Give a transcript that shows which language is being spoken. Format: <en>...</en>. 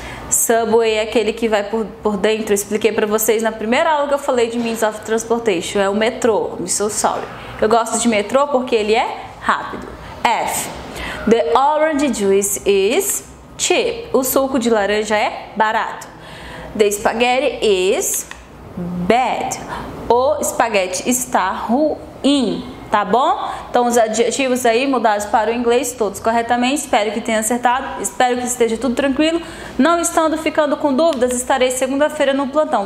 <pt>Subway é aquele que vai por dentro. Eu expliquei pra vocês na primeira aula que eu falei de means of transportation. É o metrô.</pt> <en>I'm so sorry.</en> <pt>Eu gosto de metrô porque ele é rápido. F.</pt> <en>The orange juice is cheap.</en> <pt>O suco de laranja é barato.</pt> <en>The spaghetti is bad.</en> <pt>O espaguete está ruim. Tá bom? Então, os adjetivos aí mudados para o inglês, todos corretamente. Espero que tenha acertado. Espero que esteja tudo tranquilo. Não estando ficando com dúvidas, estarei segunda-feira no plantão.</pt>